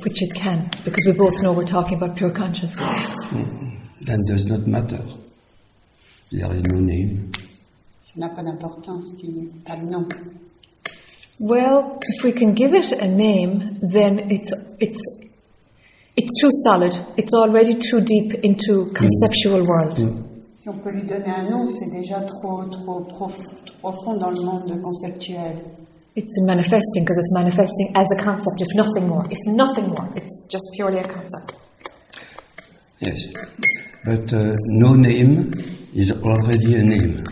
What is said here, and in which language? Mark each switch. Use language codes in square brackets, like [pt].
[en] which it can, because we both know we're talking about pure consciousness. that does not matter. There is no name. [fr] Ça n'a pas d'importance qu'il n'y ait pas de nom. [en] Well, if we can give it a name, then it's too solid. It's already too deep into conceptual world. [fr] Si on peut lui donner un nom, c'est déjà trop profond dans le monde conceptuel. [en] It's manifesting because it's manifesting as a concept, if nothing more. If nothing more, it's just purely a concept. Yes, but no name is already a name.